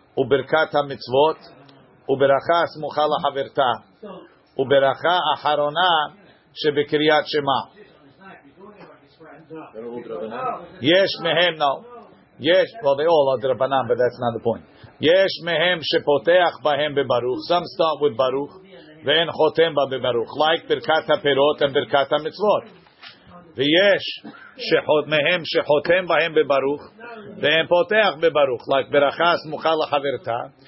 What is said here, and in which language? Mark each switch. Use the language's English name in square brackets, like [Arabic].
[Hebrew] וברכת המצוות, וברכה הסמוכה לחברתה, וברכה האחרונה שבקריאת שמע. יש מהם, יש, [English] well, they all are drabanan, but that's not the point. [Hebrew] יש מהם שפותח בהם בברוך, [English] some start with [Hebrew] ברוך, ואין חותם בה בברוך, like ברכת הפירות and ברכת המצוות. ויש מהם שחותם בהם בברוך, ואין פותח בברוך, like ברכה הסמוכה לחברתה.